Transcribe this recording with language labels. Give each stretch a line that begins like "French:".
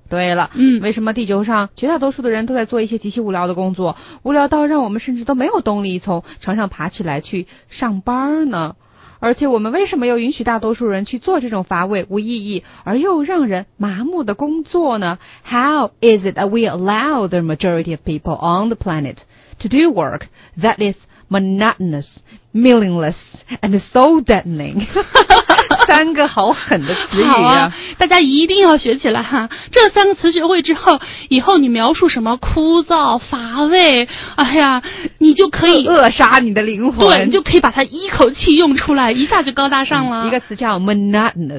Chinese: 对了，嗯，为什么地球上绝大多数的人都在做一些极其无聊的工作，无聊到让我们甚至都没有动力从床上爬起来去上班呢？而且我们为什么又允许大多数人去做这种乏味无意义而又让人麻木的工作呢？
English: How is it that we allow the majority of people on the planet to do work that is monotonous, meaningless, and soul deadening?
Chinese: 三个好狠的词语啊，大家一定要学起来哈。这三个词学会之后，以后你描述什么枯燥乏味，哎呀，你就可以扼杀你的灵魂，对，你就可以把它一口气用出来，一下就高大上了、嗯、一个词叫 monotonous。